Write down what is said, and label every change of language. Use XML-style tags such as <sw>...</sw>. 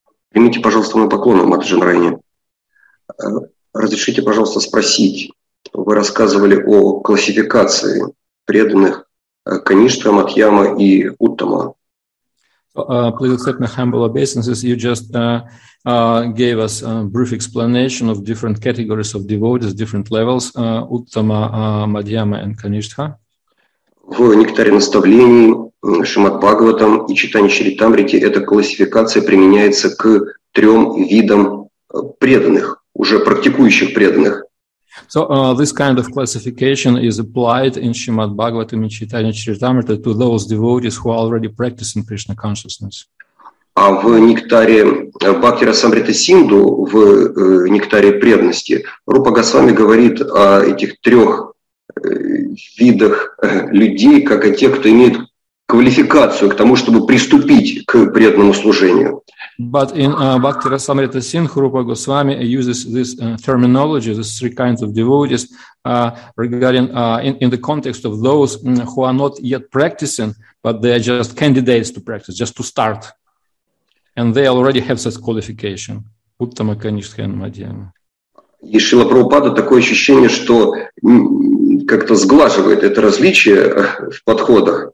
<ru>Примите, пожалуйста, мой поклон, Матаджи Нарайане. Разрешите, пожалуйста, спросить. Вы рассказывали о классификации преданных Каништа, Матьяма и Уттама.</ru> <en>Please accept my humble obeisances. You just gave us a brief explanation of different categories of devotees, different levels, Uttama, Madhyama, and Kanishtha.</en> <ru>В Нектаре наставлений, Шримад Бхагаватам и Читани Чаритамрити эта классификация применяется к трем видам преданных, уже практикующих преданных.</ru> <en>So this kind of classification is applied in Srimad Bhagavatam and Chaitanya Charitamrita to those devotees who are already practicing Krishna consciousness.</en> <ru>А в нектаре Бхакти Расамрита Синду, в нектаре преданности, Рупа Госвами говорит о этих трех видах людей, как о тех, кто имеет квалификацию к тому, чтобы приступить к преданному служению.</ru> <en>But in Bhakti Rasamrita Sindhu, Rupa Goswami uses this terminology, these three kinds of devotees, regarding in the context of those who are not yet practicing, but they are just candidates to practice, just to start. And they already have such qualification. Uttama, Kanishtha, and Madhyama.</en> <ru>И Шрила Прабхупада такое ощущение, что как-то сглаживает это различие в подходах.</ru>